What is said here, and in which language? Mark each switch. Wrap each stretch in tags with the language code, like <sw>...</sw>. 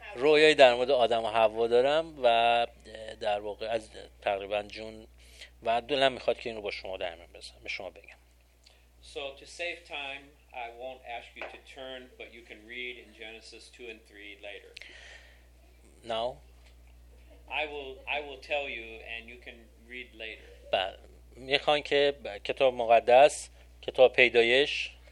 <fa>رویایی در مورد آدم و حوا دارم و در واقع از تقریبا جون و دلم میخواد که این رو با شما در میون بذارم، به شما بگم.</fa> <en>So to save time, I won't ask you to turn, but you can read in Genesis 2 and 3 later. Now I will tell you and you can read later.</en> <fa>میخوان که کتاب مقدس، کتاب پیدایش.</fa>